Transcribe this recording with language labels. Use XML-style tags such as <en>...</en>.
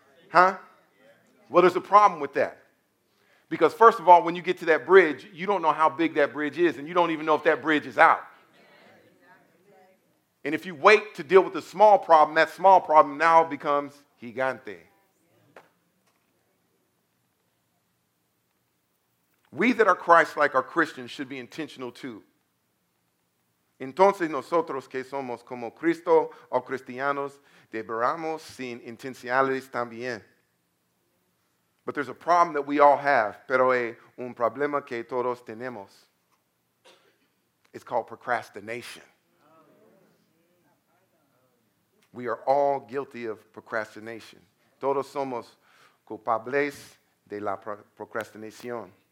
<en>Huh? Well, there's a problem with that. Because first of all, when you get to that bridge, you don't know how big that bridge is, and you don't even know if that bridge is out. And if you wait to deal with the small problem, that small problem now becomes gigante. We that are Christ-like are Christians should be intentional too.</en> <es>Entonces nosotros que somos como Cristo o cristianos deberíamos sin intencionalidades también.</es> <en>But there's a problem that we all have.</en> <es>Pero hay un problema que todos tenemos.</es> <en>It's called procrastination. We are all guilty of procrastination.</en> <es>Todos somos culpables de la procrastinación.</es>